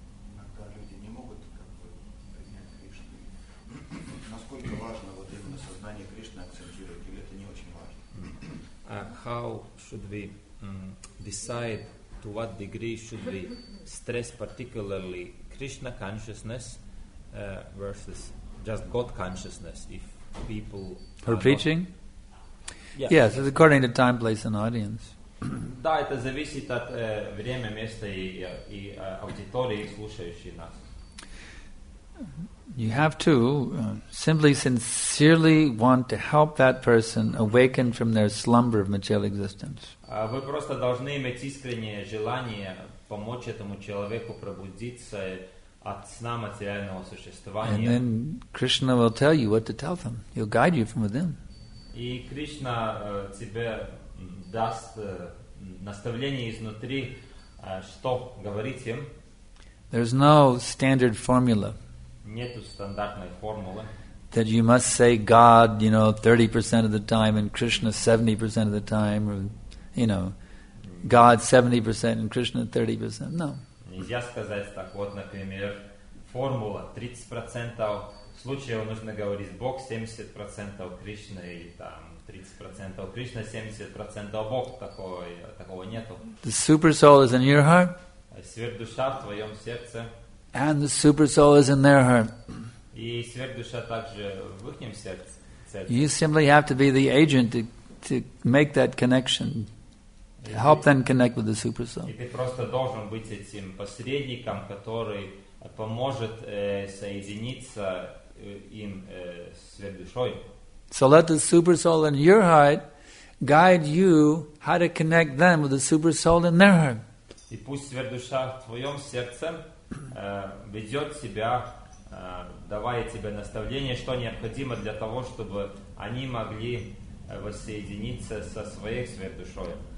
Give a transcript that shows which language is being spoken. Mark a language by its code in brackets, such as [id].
[ru] Иногда люди не могут принять Кришну. Насколько важно вот именно сознание Кришны акцентировать, или это не очень важно? [en] How should we decide to what degree should we stress particularly Krishna consciousness? Versus just God consciousness, if people her preaching. Not... Yes, it's according to time, place, and audience. [ru] Да, это зависит от время, места и аудитории, слушающей нас. [en] You have to simply sincerely want to help that person awaken from their slumber of material existence. [ru] Вы просто должны иметь искреннее желание помочь этому человеку пробудиться. От сна материального существования. [en] And then Krishna will tell you what to tell them. He'll guide you from within. [ru] И Кришна тебе даст наставление изнутри, что говорить им. [en] There's no standard formula. [ru] Нету стандартной формулы. [en] That you must say God, you know, 30% of the time, and Krishna 70% of the time, or, you know, God 70% and Krishna 30%. No. [ru] Нельзя сказать так, вот, например, формула 30% случаев нужно говорить Бог, 70% Кришна, или там 30% Кришна, 70% Бог, такого нету. [en] The super soul is in your heart. [ru] Сверхдуша в твоем сердце. [en] And the super soul is in their heart. [ru] И сверхдуша также в их сердце. [en] You simply have to be the agent to make that connection. Help them connect with the super soul. [ru] И ты просто должен быть этим посредником, который поможет соединиться им с сверхдушой. [en] So let the super soul in your heart guide you how to connect them with the super soul in their heart. [ru] И пусть сверхдуша в твоем сердце ведет тебя, давая тебе наставление, что необходимо для того, чтобы они могли воссоединиться со своей сверхдушой.